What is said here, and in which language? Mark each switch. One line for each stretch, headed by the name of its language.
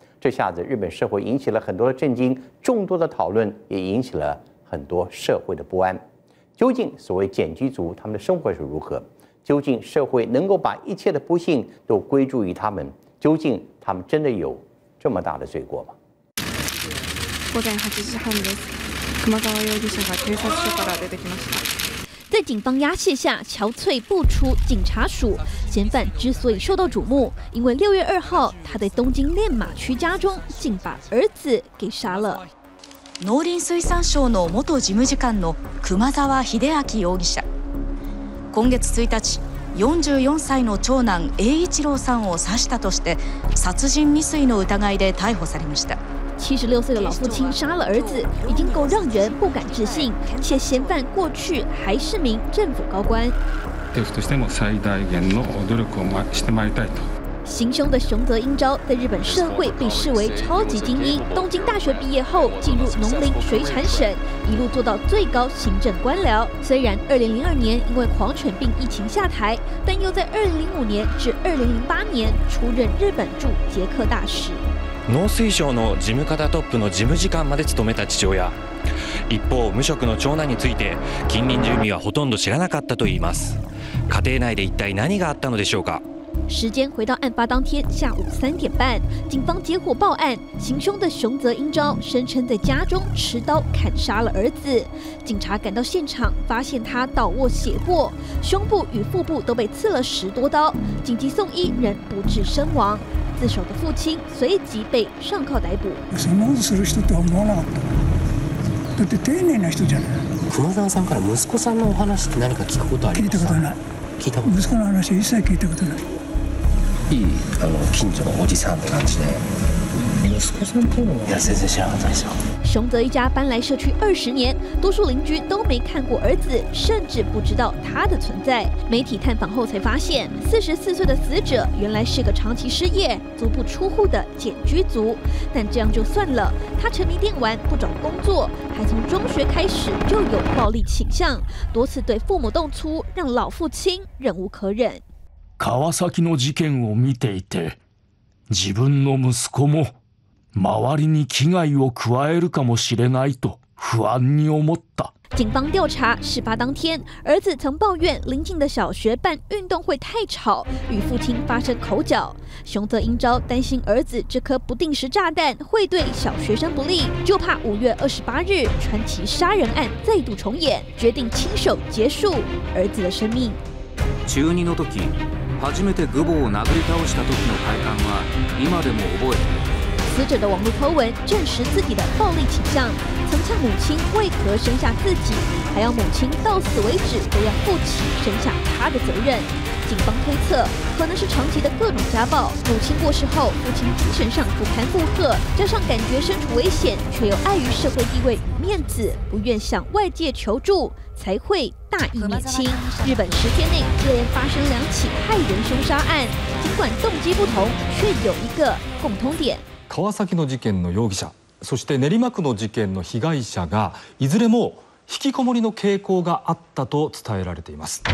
Chinese: 这下子日本社会引起了很多的震惊，众多的讨论也引起了很多社会的不安。究竟所谓简居族他们的生活是如何？究竟社会能够把一切的不幸都归诸于他们？究竟他们真的有这么大的罪过吗？
Japanese: 午前8時半です。熊沢容疑者が警察署から出てきました。
Chinese: 在警方押解下憔悴步出警察署，嫌犯之所以受到瞩目，因为6月2号他在东京练马区家中竟把儿子给杀了。
Japanese: 農林水産省の元事務次官の熊沢秀明容疑者、今月1日44歳の長男栄一郎さんを刺したとして殺人未遂の疑いで逮捕されました。
Chinese: 76岁的老父亲杀了儿子，已经够让人不敢置信。且嫌犯过去还是名政府高官。
Japanese: 政府としても最大限の努力をしてまいりたいと。
Chinese: 行凶的熊泽英昭在日本社会被视为超级精英。东京大学毕业后，进入农林水产省，一路做到最高行政官僚。虽然2002年因为狂犬病疫情下台，但又在2005年至2008年出任日本驻捷克大使。
Japanese: 農水省の事務方トップの事務次官まで務めた父親、一方無職の長男について近隣住民はほとんど知らなかったといいます。家庭内で一体何があったのでしょうか。
Chinese: 时间回到案发当天下午3:30，警方接获报案，行凶的熊泽英昭声称在家中持刀砍杀了儿子。警察赶到现场，发现他倒卧血泊，胸部与腹部都被刺了10多刀，紧急送医，仍不治身亡。自首的父亲随即被上铐逮捕。
Japanese: そんなことする人とは思わなかった。だって丁寧な人じゃない。熊沢さんから息子さんのお話って何か聞くことありますか？聞いたことない。息子の話一切聞いたことない。いい近所のおじさんって感じで。
Chinese: 熊泽一家搬来社区20年，多数邻居都没看过儿子，甚至不知道他的存在。媒体探访后才发现，44岁的死者原来是个长期失业、足不出户的简居族。但这样就算了，他沉迷电玩，不找工作，还从中学开始就有暴力倾向，多次对父母动粗，让老父亲忍无可忍。
Japanese: 川崎の事件を見ていて、自分の息子も。周りに危害を加えるかもしれないと不安に思った。
Chinese: 警方调查，事发当天，儿子曾抱怨邻近的小学办运动会太吵，与父亲发生口角。熊泽英昭担心儿子这颗不定时炸弹会对小学生不利，就怕5月28日传奇杀人案再度重演，决定亲手结束儿子的生命。
Japanese: 中二の時、初めて愚坊を殴り倒した時の快感は今でも覚えて。
Chinese: 死者的网络po文证实自己的暴力倾向，曾呛母亲为何生下自己，还要母亲到死为止都要负起生下他的责任。警方推测，可能是长期的各种家暴。母亲过世后，父亲精神上不堪负荷，加上感觉身处危险，却又碍于社会地位与面子，不愿向外界求助，才会大义灭亲。日本10天内接连发生2起害人凶杀案，尽管动机不同，却有一个共通点。
Japanese: 川崎の事件の容疑者、そして練馬区の事件の被害者がいずれも引きこもりの傾向があったと伝えられています。